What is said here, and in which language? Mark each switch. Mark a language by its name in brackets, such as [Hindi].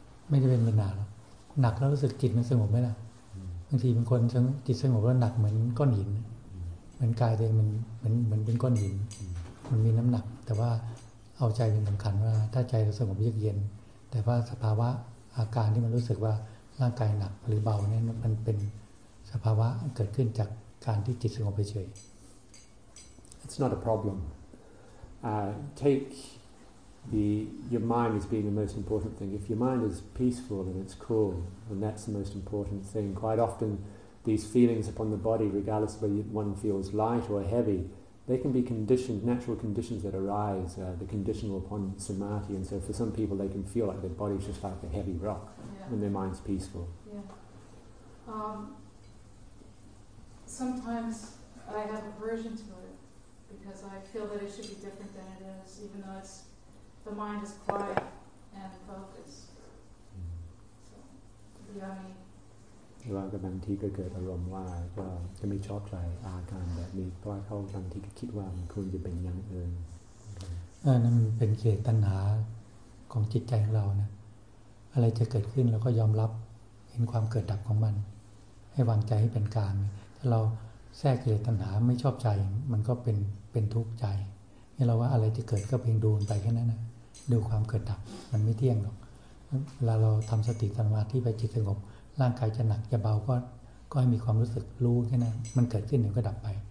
[Thai] ไม่ได้เป็นปัญหาหรอกหนักแล้วรู้สึกจิตมันสงบไหมล่ะบางทีบางคนจิตสงบแล้วหนักเหมือนก้อนหินเหมือนกายตัวเองมันเป็นก้อนหินมันมีน้ำหนักแต่ว่าเอาใจเป็นสำคัญว่าถ้าใจเราสงบเยือกเย็นแต่ว่าสภาวะอาการที่มันรู้สึกว่าร่างกายหนักหรือเบาเนี่ยมันเป็นสภาวะเกิดขึ้นจากการที่จิตสงบเฉย [English] It's not a problem. Take your mind as being the most important thing. If your mind is peaceful and it's cool, then that's the most important thing. Quite often, these feelings upon the body, regardless of whether one feels light or heavy, they can be conditioned, natural conditions that arise, the conditional upon samadhi. And so for some people, they can feel like their body's just like a heavy rock, yeah. And their mind's peaceful. Yeah. Sometimes I have aversion to it because I feel that it should be different than it is, even though it's the mind is quiet and focused. So, yeah, I [Thai] หรือว่าบางทีก็เกิดอารมณ์ว่าก็จะไม่ชอบใจอาการแบบนี้เพราะเขาบางทีก็คิดว่ามันควรจะเป็นอย่างอื่น นั่นเป็นเขตตัณหาของจิตใจของเรานะอะไรจะเกิดขึ้นเราก็ยอมรับเห็นความเกิดดับของมันให้วางใจให้เป็นกลางถ้าเราแทรกเขตตัณหาไม่ชอบใจมันก็เป็นทุกข์ใจนี่เราว่าอะไรจะเกิดก็เพียงดูไปแค่นั้นนะดูความเกิดดับมันไม่เที่ยงหรอกเวลาเราทำสติสมาธิไปจิตสงบร่างกายจะหนักจะเบาก็ให้มีความรู้สึกรู้แค่นั้นมันเกิดขึ้นเดี๋ยวก็ดับไป